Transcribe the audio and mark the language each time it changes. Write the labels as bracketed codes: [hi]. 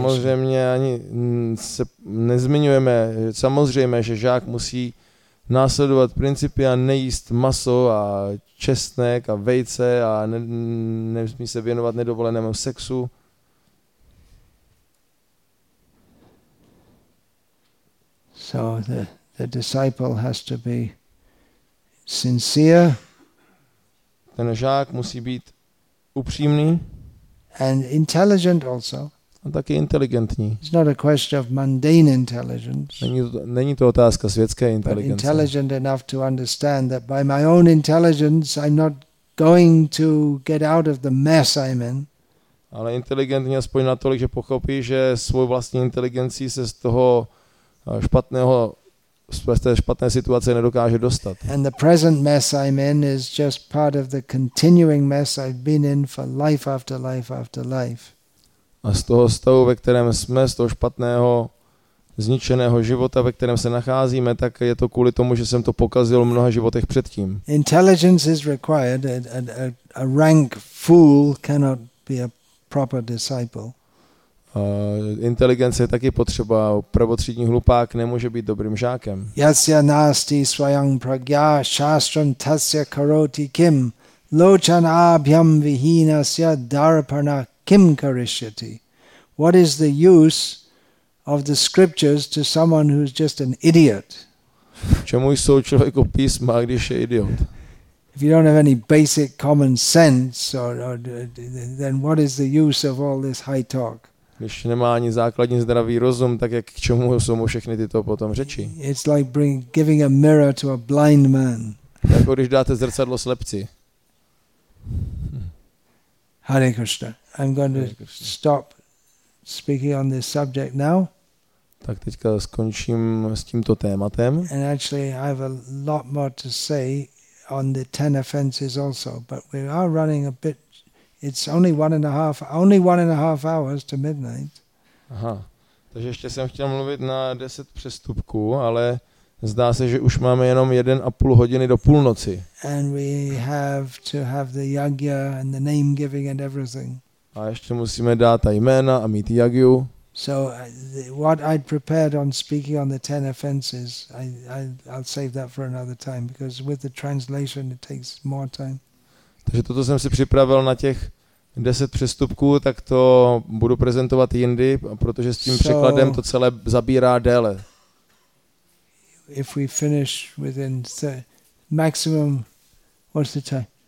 [cs] Samozřejmě ani se nezmiňujeme, samozřejmě, že žák musí následovat principy a nejíst maso a česnek a vejce a nesmí se věnovat nedovolenému sexu. [en] So the disciple has to be sincere. [cs] Ten žák musí být upřímný. [en] And intelligent also. [cs] A taky inteligentní. [en] It's not a question of mundane intelligence. [cs] Není to otázka světské inteligence. [en] But intelligent enough to understand that by my own intelligence I'm not going to get out of the mess I'm in. [cs] Ale inteligentní aspoň natolik, že pochopí, že svou vlastní inteligencí se z toho špatného špatné situace nedokáže dostat. [en] And the present mess I'm in is just part of the continuing mess I've been in for life after life after life. [cs] A z toho stavu, ve kterém jsme, z toho špatného, zničeného života, ve kterém se nacházíme, tak je to kvůli tomu, že jsem to pokazil v mnoha životech předtím. [en] Intelligence is required. A rank fool cannot be a proper disciple. [cs] Inteligence je taky potřeba. Prvotřídní hlupák nemůže být dobrým žákem. [sa] Yasya nasti svayam pragya shastram tasya karoti kim lochanabhyam vihinasya darpana. Kim karishyati? [en] What is the use of the scriptures to someone who's just an idiot? [cs] Čemu jsou člověku písma, když je idiot? [en] If you don't have any basic common sense, then what is the use of all this high talk? [cs] když nemá ani základní zdravý rozum, tak jak k čemu jsou mu všechny tyto potom řeči? [en] It's like giving a mirror to a blind man. [cs] Jako když dáte zrcadlo slepci. [en] Hare Krishna. I'm going to stop speaking on this subject now. [cs] Tak teďka skončím s tímto tématem. [en] And actually I have a lot more to say on the 10 offenses also, but we are running a bit. It's only one and a half hours to midnight. Aha. [cs] Takže ještě jsem chtěl mluvit na 10 přestupků, ale zdá se, že už máme jenom 1.5 hodiny do půlnoci. [en] And we have to have the yagya and the name giving and everything. [cs] A ještě musíme dát ta jména a mít yagyu. [en] So what I'd prepared on speaking on the 10 offenses, I'll save that for another time because with the translation it takes more time. [cs] Takže toto jsem si připravil na těch 10 přestupků, tak to budu prezentovat jindy, protože s tím překladem to celé zabírá déle. [en] If we finish within the maximum, what's the time?